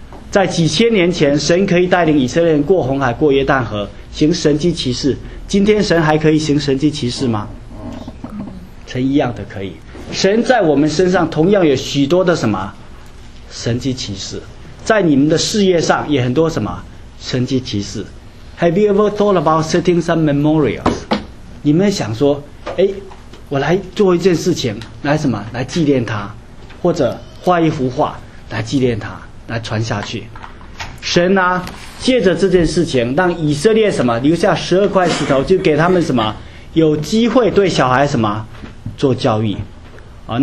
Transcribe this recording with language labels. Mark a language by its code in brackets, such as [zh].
[zh] 在几千年前神可以带领以色列人过红海过约旦河行神迹奇事，今天神还可以行神迹奇事吗？神一样的可以。神在我们身上同样有许多的什么神迹奇事，在你们的事业上也很多什么神迹奇事。 [en] Have you ever thought about setting some memorials? [zh] 你们想说，哎，我来做一件事情来什么来纪念他，或者画一幅画来纪念他，来传下去。神呢、啊、借着这件事情让以色列什么留下12块石头，就给他们什么有机会对小孩什么做教育啊。